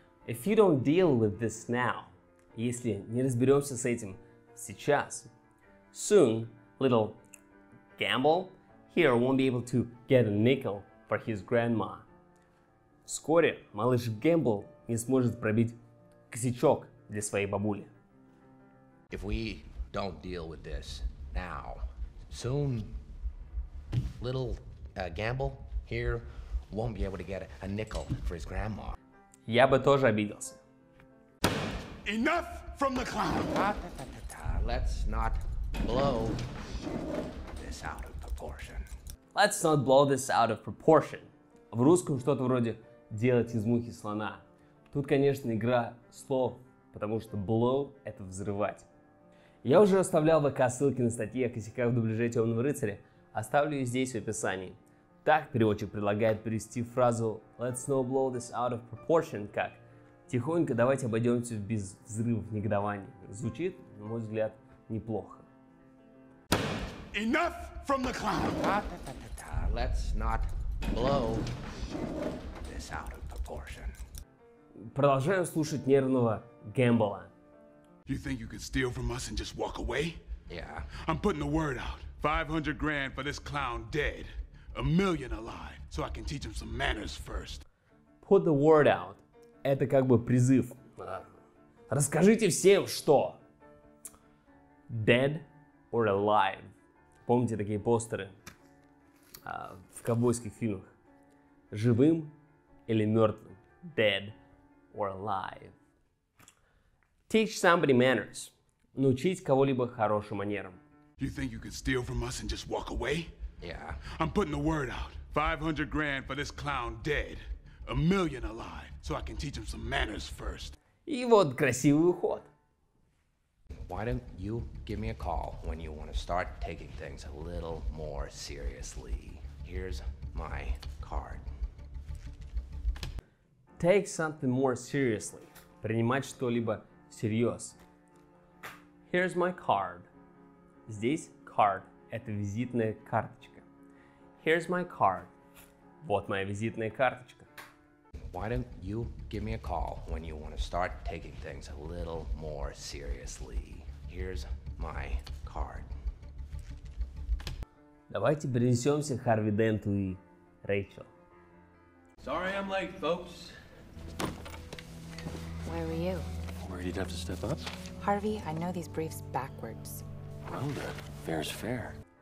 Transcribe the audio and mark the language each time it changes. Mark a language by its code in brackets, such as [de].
[en] If you don't deal with this now, [ru] если не разберемся с этим сейчас, [en] soon, little Gamble here won't be able to get a nickel for his grandma. [ru] Вскоре малыш Гэмбл не сможет пробить косячок для своей бабули. [en] If we don't deal with this now, soon, little Gamble here won't be able to get a nickel for his grandma. [ru] Я бы тоже обиделся. [en] Enough from the clown! Let's not blow this out of proportion. Let's not blow this out of proportion. [ru] В русском что-то вроде делать из мухи слона. Тут, конечно, игра слов, потому что blow – это взрывать. Я уже оставлял в ВК ссылки на статьи о косяках в дубляже «Темного рыцаря». Оставлю ее здесь в описании. Так переводчик предлагает перевести фразу [en] «Let's not blow this out of proportion» [ru] как «Тихонько давайте обойдемся без взрывов негодования». Звучит, на мой взгляд, неплохо. [en] Enough from the clown! Let's not blow this out of proportion. [ru] Продолжаем слушать нервного Гэмбла. [en] You think you could steal from us and just walk away? Yeah. I'm putting the word out. 500 grand for this clown dead. A million alive. So I can teach him some manners first. Put the word out. [ru] Это как бы призыв. Расскажите всем, что... [en] Dead or alive. [ru] Помните такие постеры в ковбойских фильмах? Живым или мертвым? [en] Dead or alive. Teach somebody manners. [ru] Научить кого-либо хорошим манерам. [en] You think you can steal from us and just walk away? Yeah. I'm putting the word out. 500 grand for this clown dead. A million alive. So I can teach him some manners first. [ru] И вот красивый уход. [en] Why don't you give me a call when you want to start taking things a little more seriously? Here's my card. Take something more seriously. [ru] Принимать что-либо всерьез. [en] Here's my card. [ru] Здесь [en] card. [ru] Это визитная карточка. [en] Here's my card. [ru] Вот моя визитная карточка. [en] Why don't you give me a call when you want to start taking things a little more seriously? Here's my card. [ru] Давайте перенесемся к Харви Денту и Рэйчел. [en] Sorry I'm late, folks. Where were you? Where you'd have to step up? Harvey, I know these briefs backwards. Well, the fair's fair.